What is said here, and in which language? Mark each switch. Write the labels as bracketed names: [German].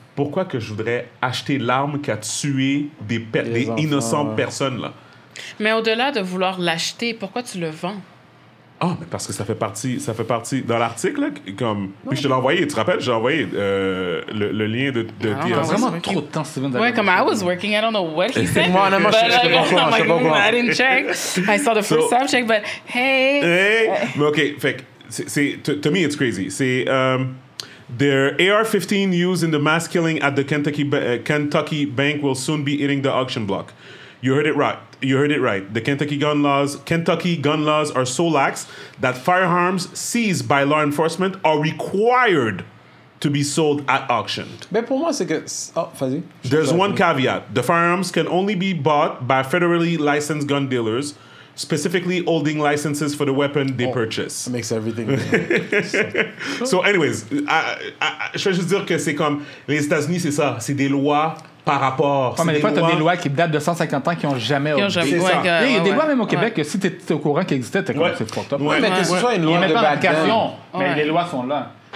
[French] Pourquoi que je voudrais acheter l'arme qui a tué des innocentes personnes, là? Mais au-delà de vouloir l'acheter, pourquoi tu le vends? Ah, oh, mais parce que ça fait partie dans l'article, là, comme... Puis je te l'ai envoyé, tu te rappelles, j'ai envoyé le lien de Diaz. Ah, vraiment trop de temps, Steven. Ouais, comme [English] I was working, I don't know what he said. [French] Moi, honnêtement, je sais pas quoi. [English] I didn't check. I saw the first time check, but hey! [French] Mais OK, fait que, [English] to me, it's crazy. [French] C'est, [English] their AR-15 used in the mass killing at the Kentucky Bank will soon be hitting the auction block. You heard it right. The Kentucky gun laws are so lax that firearms seized by law enforcement are required to be sold at auction. [French] Mais pour moi, c'est que... Oh, vas-y. [English] There's one caveat. The firearms can only be bought by federally licensed gun dealers, specifically holding licenses for the weapon they purchase. That makes everything... So anyways, [French] je vais juste dire que c'est comme... Les États-Unis, c'est ça. C'est des lois... Par rapport. Ouais, mais des fois, t'as des lois qui datent de 150 ans qui n'ont jamais obéi. Il y a des lois, même au Québec, que si t'étais au courant qu'elles existaient, t'es comme, c'est [English] fucked up. [French] Ouais, mais que ce soit une loi de [English] vacation. [French] Mais les lois sont là.